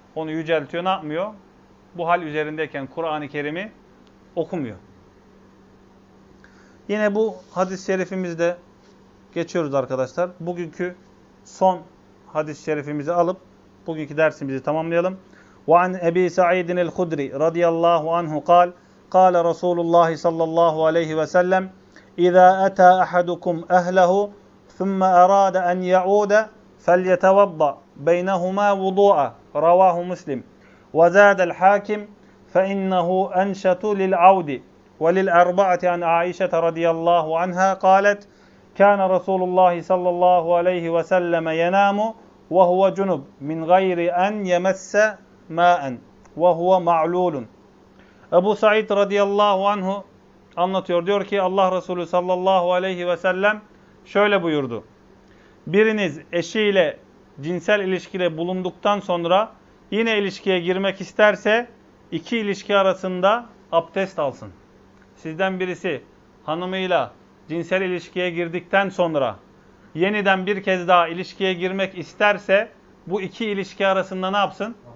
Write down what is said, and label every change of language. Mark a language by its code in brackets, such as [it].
[tr] Onu yüceltiyor. Ne yapmıyor? Bu hal üzerindeyken Kur'an-ı Kerim'i okumuyor. Yine bu hadis-i şerifimizde geçiyoruz arkadaşlar. Bugünkü son hadis-i şerifimizi alıp bugünkü dersimizi tamamlayalım. [ar] وَعَنْ اَب۪ي سَعِيدٍ الْخُدْرِ رَضِيَ اللّٰهُ عَنْهُ قَالَ رَسُولُ اللّٰهِ صَلَّى اللّٰهُ عَلَيْهِ وَسَلَّمْ اِذَا اَتَى اَحَدُكُمْ اَهْلَهُ ثُمَّ اَرَادَ اَنْ يَعُودَ فَلْيَتَوَضَّ بَيْنَهُمَا وُضُوعًا رواه مسلم وزاد الحاكم فإنه أنشط للعود وللأربعة عن عائشة رضي الله عنها قالت كان رسول الله صلى الله عليه وسلم ينام وهو جنب من غير أن يمس ماء وهو معلول. أبو سعيد رضي الله عنه [tr] anlatıyor. Diyor ki Allah Resulü sallallahu aleyhi ve sellem şöyle buyurdu. Biriniz eşiyle cinsel ilişkide bulunduktan sonra yine ilişkiye girmek isterse iki ilişki arasında abdest alsın. Sizden birisi hanımıyla cinsel ilişkiye girdikten sonra yeniden bir kez daha ilişkiye girmek isterse bu iki ilişki arasında ne yapsın?